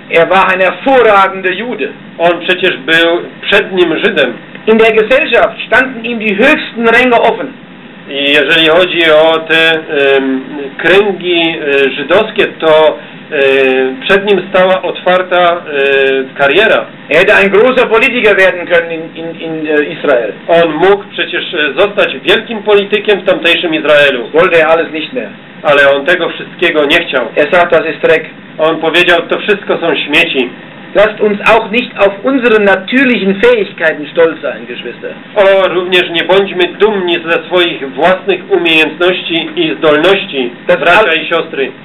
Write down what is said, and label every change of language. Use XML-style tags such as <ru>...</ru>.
<de>Er war ein hervorragender Jude.</de> <pl>On przecież był przednim Żydem.</pl> <de>In der Gesellschaft standen ihm die höchsten Ränge offen.</de> <pl>I jeżeli chodzi o te kręgi żydowskie, to przed nim stała otwarta kariera.</pl> <de>Er hätte ein großer Politiker werden können in Israel.</de> <pl>On mógł przecież zostać wielkim politykiem w tamtejszym Izraelu.</pl> <de>Wollte er alles nicht mehr.</de> <pl>Ale on tego wszystkiego nie chciał.</pl> <de>Er sagt, das ist Dreck.</de> <pl>On powiedział, to wszystko są śmieci.</pl> <de>Lasst uns auch nicht auf unsere natürlichen Fähigkeiten stolz sein, Geschwister.</de> <pl>O, również nie bądźmy dumni ze swoich własnych umiejętności i zdolności, bracia i siostry.</pl>